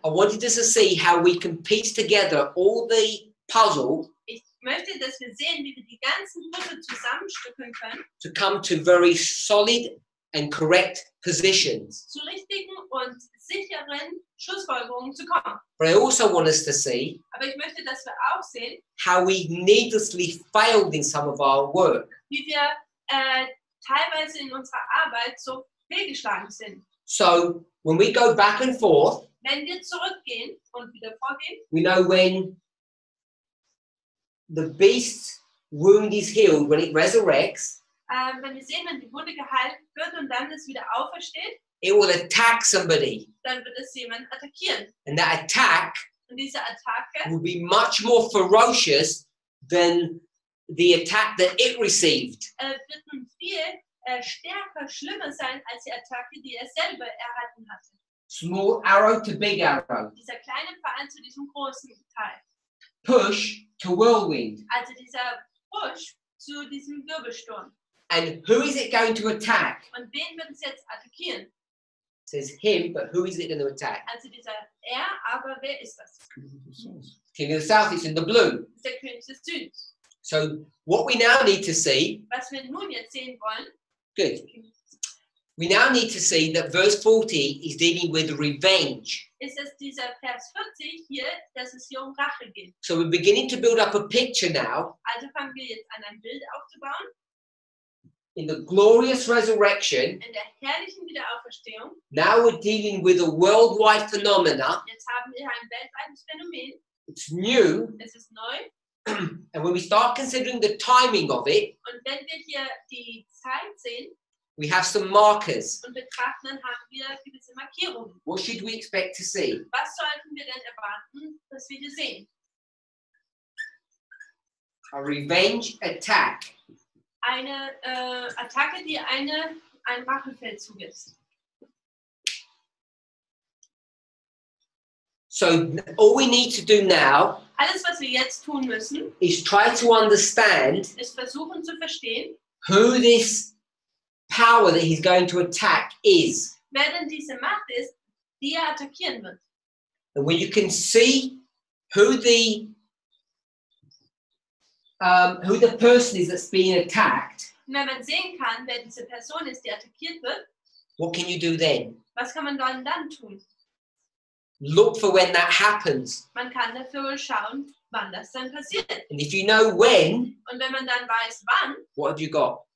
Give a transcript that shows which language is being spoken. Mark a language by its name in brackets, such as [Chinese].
[English] I wanted us to see how we can piece together all the puzzle. [German] Ich möchte, dass wir sehen, wie wir die ganzen Puzzle zusammenstücken können. [English] To come to very solid and correct positions. [German] Zu richtigen und sicheren Schlussfolgerungen zu kommen. [English] But I also want us to see. [German] Aber ich möchte, dass wir auch sehen. [English] How we needlessly failed in some of our work. [German] Wie wir teilweise in unserer Arbeit so fehlgeschlagen sind. [English] So when we go back and forth. [German] Wenn wir zurückgehen und wieder vorgehen. [English] We know when the beast's wound is healed, when it resurrects. [German] Wenn wir sehen, wenn die Wunde geheilt wird und dann es wieder aufersteht, [English] it will attack somebody. [German] Dann wird es jemanden attackieren. [English] And that attack [German] und diese Attacke [English] will be much more ferocious than the attack that it received. [German] Wird nun viel stärker, schlimmer sein als die Attacke, die er selber erhalten hatte. [English] Small arrow to big arrow. [German] Dieser kleine Pfeil zu diesem großen Teil. [English] Push to whirlwind. [German] Also dieser Push zu diesem Wirbelsturm. [English] And who is it going to attack? [German] Und wen wird es jetzt attackieren? [English] It says him, but who is it going to attack? [German] Also dieser er, aber wer ist das? [English] King of the South. It's in the blue. [German] Der König des Südens. [English] So what we now need to see. [German] Was wir nun jetzt sehen wollen. [English] Good. We now need to see that verse 40 is dealing with revenge. [German] Ist es dieser Vers 40 hier, dass es hier um Rache geht? [English] So we're beginning to build up a picture now. [German] Also fangen wir jetzt an, ein Bild aufzubauen. [English] In the glorious resurrection, [German] in der herrlichen Wiederauferstehung, [English] now we're dealing with a worldwide phenomena. [German] Jetzt haben wir ein weltweites Phänomen. [English] It's new. [German] Es ist neu. [English] And when we start considering the timing of it, [German] und wenn wir hier die Zeit sehen, [English] we have some markers. [German] Und betrachten, dann haben wir gewisse Markierungen. [English] What should we expect to see? [German] Was sollten wir denn erwarten, dass wir hier sehen? [English] A revenge attack. [German] Eine Attacke, die ein Rachefeldzug ist. [English] So all we need to do now, [German] alles was wir jetzt tun müssen, [English] is try to understand, [German] ist versuchen zu verstehen, [English] who this power that he's going to attack is. [German] Wer denn diese Macht ist, die er attackieren wird. [English] And when you can see who the person is that's being attacked. [German] Und wenn man sehen kann, wer diese Person ist, die attackiert wird. [English] What can you do then? [German] Was kann man dann tun? [English] Look for when that happens. [German] Man kann dafür schauen, wann das dann passiert. [English] And if you know when. [German] Und wenn man dann weiß, wann. [English] What have you got?